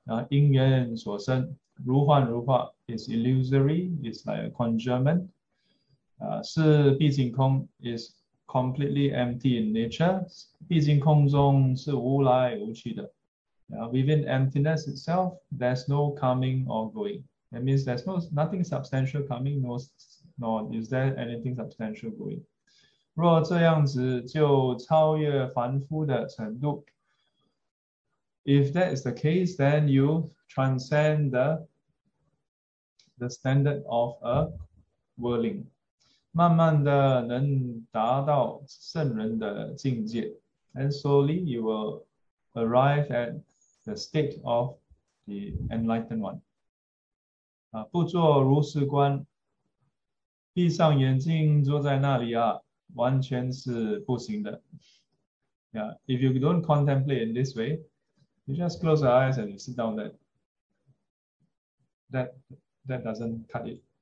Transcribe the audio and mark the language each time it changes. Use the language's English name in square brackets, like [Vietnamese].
[Chinese] 因缘所生，如幻如化， [English] is illusory, is like a conjurement。 [Chinese] 是毕竟空， [English] is completely empty in nature。 [Chinese] 毕竟空中是无来无去的。 [English] Within emptiness itself, there's no coming or going. That means there's nothing substantial coming, nor is there anything substantial going. [Chinese] 若这样子，就超越凡夫的程度。 [English] If that is the case, then you transcend the standard of a worldling. [Chinese] 慢慢的能达到圣人的境界， [English] and slowly you will arrive at the state of the enlightened one。 [Chinese] 不作如是观，闭上眼睛坐在那里啊，完全是不行的。 [English] If you don't contemplate in this way, you just close your eyes and you sit down there. That doesn't cut it.